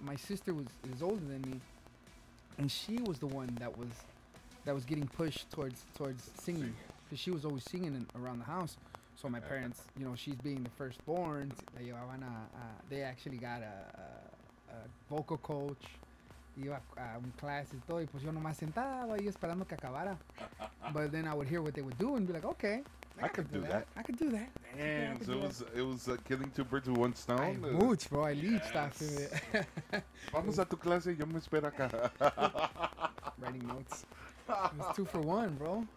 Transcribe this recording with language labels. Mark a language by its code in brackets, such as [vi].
[en] My sister is older than me, and she was the one that was getting pushed towards singing, because she was always singing around the house. So my parents, you know, she's being the firstborn, they actually got a vocal coach, [es] iba a clases todo, y pues yo nomás sentado ahí esperando que acabara. [en] But then I would hear what they would do and be like, okay, I could do that. I could do that. Damn, yeah, so it was killing two birds with one stone. Mucho, bro, I leached after it. [es] Vamos a tu clase, yo me espero acá. [en] Writing notes. It was 2-for-1, bro.